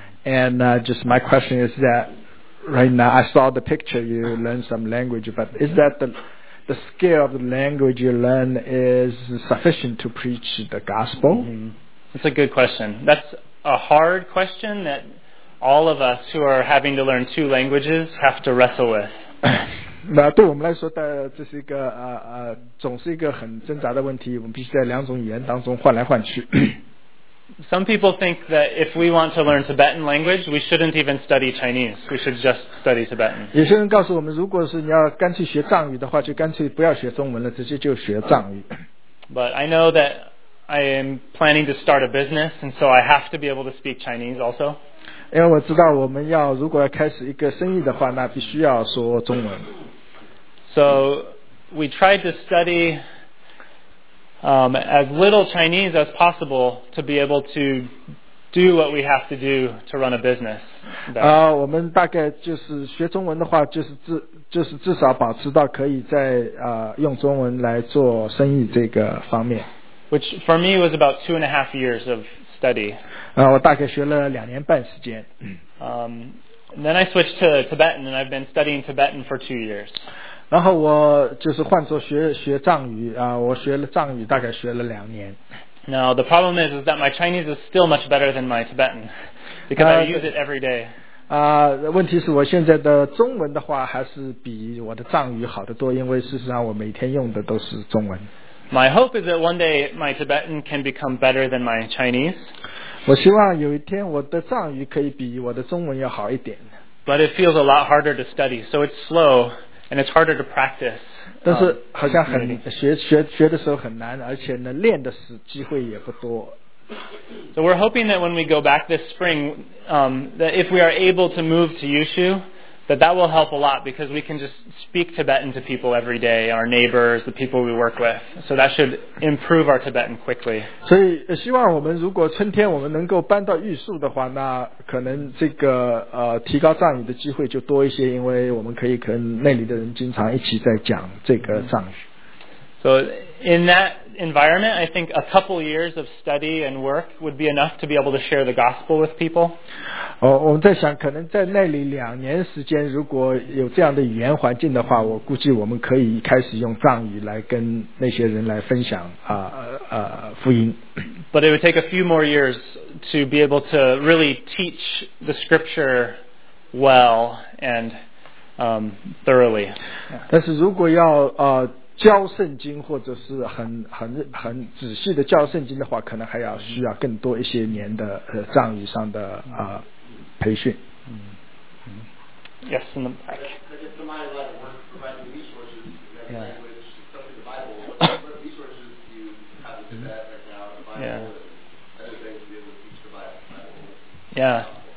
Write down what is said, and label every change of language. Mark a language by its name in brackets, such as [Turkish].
[English] And just my question is that right now I saw the picture, you learn some language, but is that the scale of the language you learn is sufficient to preach the gospel? Mm-hmm. That's a good question. That's a hard question that... all of us who are having to learn two languages have to wrestle with. [Chinese] 那对我们来说的这是一个总是一个很挣扎的问题，我们必须在两种语言当中换来换去。 [English] Some people think that if we want to learn Tibetan language, we shouldn't even study Chinese. We should just study Tibetan. [Chinese] 有些人告诉我们，如果是你要干脆学藏语的话，就干脆不要学中文了，直接就学藏语。 [English] But I know that I am planning to start a business, and so I have to be able to speak Chinese also. [Chinese] 因为我知道我们要如果要开始一个生意的话，那必须要说中文。 [English] So we tried to study as little Chinese as possible to be able to do what we have to do to run a business. [Chinese] 我们大概就是学中文的话，就是至少保持到可以在用中文来做生意这个方面。 [English] Which for me was about 2.5 years of. Study. [Chinese] 我大概学了两年半时间。 [English] Then I switched to Tibetan, and I've been studying Tibetan for 2 years. [Chinese] 然后我就是换作学藏语我学了藏语大概学了两年。 [English] Now the problem is that my Chinese is still much better than my Tibetan because I use it every day. [Chinese] 问题是我现在的中文的话还是比我的藏语好得多，因为事实上我每天用的都是中文。 [English] My hope is that one day my Tibetan can become better than my Chinese. [Chinese] 我希望有一天我的藏语可以比我的中文要好一点。 [English] But it feels a lot harder to study, so it's slow and it's harder to practice. [Chinese] 但是好像很学的时候很难，而且呢练的是机会也不多。 [English] So we're hoping that when we go back this spring, that if we are able to move to Yushu. That will help a lot because we can just speak Tibetan to people every day, our neighbors, the people we work with. So that should improve our Tibetan quickly. [Chinese] 所以希望我们如果春天我们能够搬到玉树的话，那可能这个提高藏语的机会就多一些，因为我们可以跟那里的人经常一起在讲这个藏语。 [English] So in that environment, I think a couple years of study and work would be enough to be able to share the gospel with people. [Chinese] 我们在想，可能在那里两年时间，如果有这样的语言环境的话，我估计我们可以开始用藏语来跟那些人来分享福音。 [English] But it would take a few more years to be able to really teach the scripture well and thoroughly. [Chinese] 但是如果要教圣经或者是很仔细的教圣经的话，可能还要需要更多一些年的藏语上的培训。 [English] Yes, in the back. I guess somebody like providing resources in that language, especially the Bible. What resources do you have in Tibet right now? The Bible, other things to be able to teach the Bible. Yeah.